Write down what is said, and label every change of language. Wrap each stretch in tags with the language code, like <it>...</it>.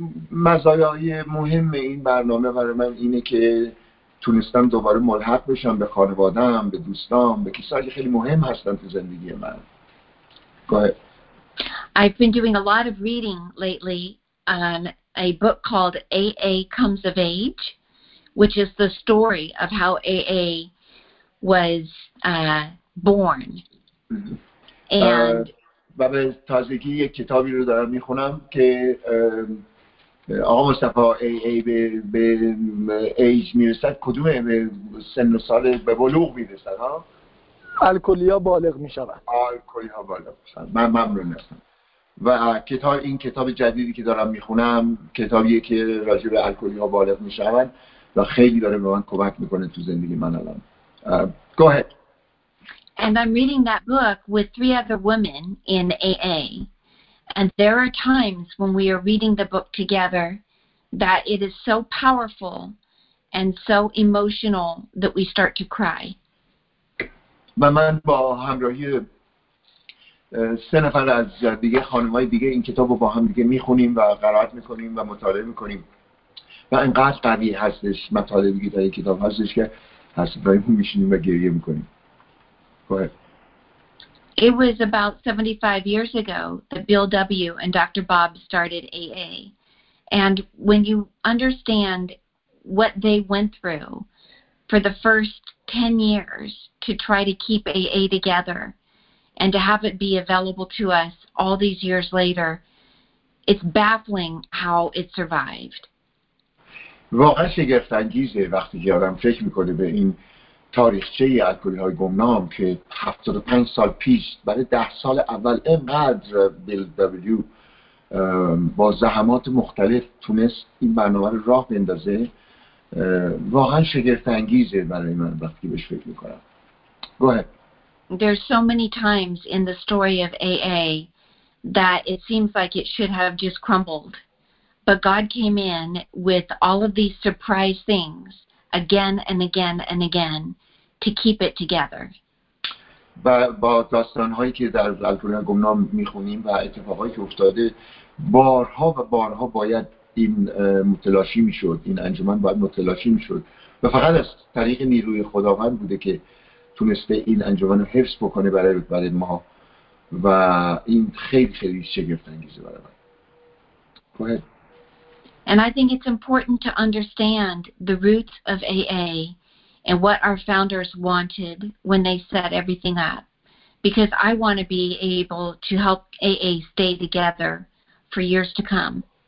<fa>مزایای مهم این برنامه برای من اینه که تونستم دوباره ملحق بشم به خانواده‌ام، به دوستام، به کسایی که خیلی مهم هستن تو زندگی من.</fa> <en>Go ahead. I've been doing a lot of reading lately on a book called AA Comes of Age, which is the story of how AA was born. And</en> <fa>و به تازگی یک کتابی رو دارم میخونم که آقا مصطفی AA به ایج میرسد کدومه به سن و سال به بلوغ میرسد الکلی ها بالغ میشود الکلی ها بالغ میشود من ممنون هستم و کتاب این کتاب جدیدی که دارم میخونم کتابیه که راجع به الکلی ها بالغ میشود و خیلی داره به من کمک میکنه تو زندگی من الان.</fa> <en>Go ahead. And I'm reading that book with three other women in AA. And there are times when we are reading the book together that it is so powerful and so emotional that we start to cry.</en> <fa>من با همراهی سه نفر از دیگه خانمای دیگه این کتاب رو با هم دیگه میخونیم و قرائت میکنیم و مطالعه میکنیم و انقدر قوی هستش مطالعه که در این کتاب هستش که حسابایی میشینیم و گریه میکنیم.</fa> <en>Go ahead. It was about 75 years ago that Bill W. and Dr. Bob started AA. And when you understand what they went through for the first 10 years to try to keep AA together and to have it be available to us all these years later, it's baffling how it survived.</en> <fa>واقعا شگفت انگیزه وقتی که آدم فکر میکنه به این تاریخچه الکلی های گمنام که 75 سال پیش برای 10 سال اول اینقدر بیل دبلیو با زحمات مختلف تونست این برنامه رو راه بندازه. واقعا شگفت انگیزه برای من وقتی بهش فکر میکنم.</fa> <en>Go ahead. There's so many times in the story of AA that it seems like it should have just crumbled. But God came in with all of these surprise things again and again and again to keep it together.</en> <fa>با داستان‌هایی که در الکلی‌های گمنام می‌خونیم و اتفاقایی که افتاده بارها و بارها باید این متلاشی می‌شد، این انجمن باید متلاشی می‌شد و فقط از طریق نیروی خداوند بوده که تونسته این انجمن رو حفظ بکنه برای ما و این خیلی خیلی شگفت‌انگیزه برای من.</fa> <en>And I think it's important to understand the roots of AA and what our founders wanted when they set everything up, because I want to be able to help AA stay together for years to come.</en>